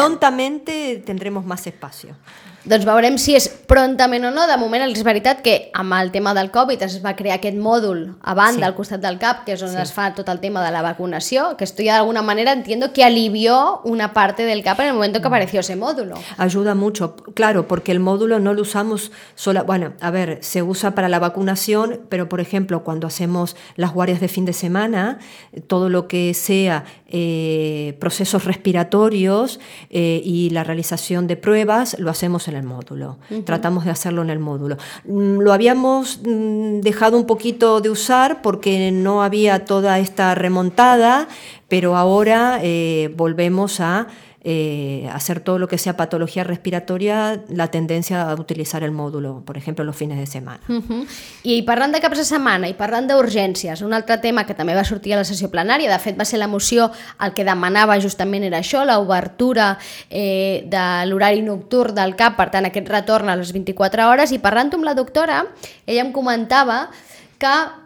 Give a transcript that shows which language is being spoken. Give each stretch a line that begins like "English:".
Spanish: Prontamente tendremos más espacio.
Catalan: Doncs veurem si és prontament o no. De moment és veritat que amb el tema del Covid es va crear aquest mòdul a banda, al costat del CAP, que és on es fa tot el tema de la vacunació,
Spanish: que esto ya de alguna manera entiendo que alivió una parte del CAP en el momento que apareció ese módulo. Ayuda mucho, claro, porque el módulo no lo usamos sola. Bueno, a ver, se usa para la vacunación, pero por ejemplo, cuando hacemos las guardias de fin de semana, todo lo que sea procesos respiratorios y la realización de pruebas, lo hacemos en el módulo. Uh-huh. Tratamos de hacerlo en el módulo. Lo habíamos dejado un poquito de usar porque no había toda esta remontada, pero ahora volvemos a hacer todo lo que sea patología respiratoria, la tendencia a utilizar el módulo, por ejemplo, los fines de semana.
Catalan: Uh-huh. I parlant de caps de setmana i parlant d'urgències, un altre tema que també va sortir a la sessió plenària, de fet va ser la moció el que demanava justament era això, l'obertura de l'horari nocturn del CAP, per tant aquest retorn a les 24 hores, i parlant amb la doctora, ella em comentava que